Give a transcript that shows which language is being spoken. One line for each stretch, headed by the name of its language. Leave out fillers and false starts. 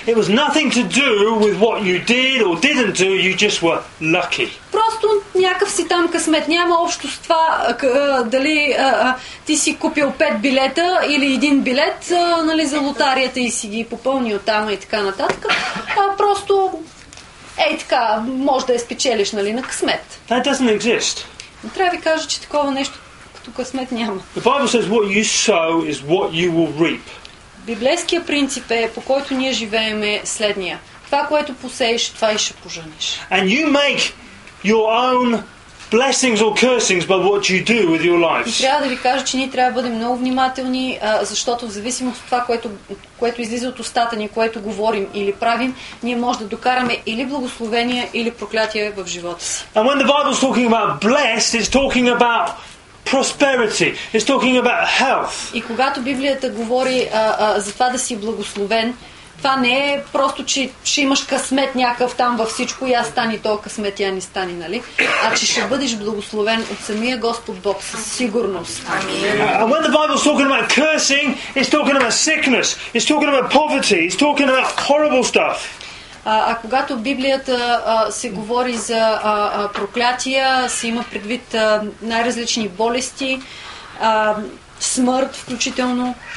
English: It was nothing to do with what you did or didn't do, you just were lucky.
Bulgarian: Просто някакъв си там късмет. Няма общо с това дали ти си купил 5 билета или един билет, нали, за лотарията и си ги попълнил там и така нататък. Просто ей така, може да я спечелиш, нали, на късмет.
English: That doesn't exist.
Bulgarian: Но трябва да ви кажа, че такова нещо като късмет няма.
English: The Bible says what you sow is what you will reap.
Bulgarian: Библейският принцип е, по който ние живеем, следния. Това, което посееш, това и ще пожениш.
English: And you make your own blessings or cursings by what you do with your lives.
Bulgarian: И трябва да ви кажа, че ние трябва да бъдем много внимателни, защото в зависимост от това, което излиза от устата ни, което говорим или правим, ние може да докараме или благословения, или проклятия в живота си.
English: And when the Bible's talking about blessed, it's talking about prosperity. It's talking about health.
Bulgarian: И когато Библията говори за това да си благословен, това не е просто, че ще имаш късмет някакъв там във всичко и аз стани то късмет и я не стани, нали? А че ще бъдеш благословен от самия Господ Бог със сигурност.
English: And when the Bible's talking about cursing, it's talking about sickness, it's talking about poverty, it's talking about horrible stuff.
Bulgarian: А когато Библията се говори за проклятия, се има предвид най-различни болести, смърт включително.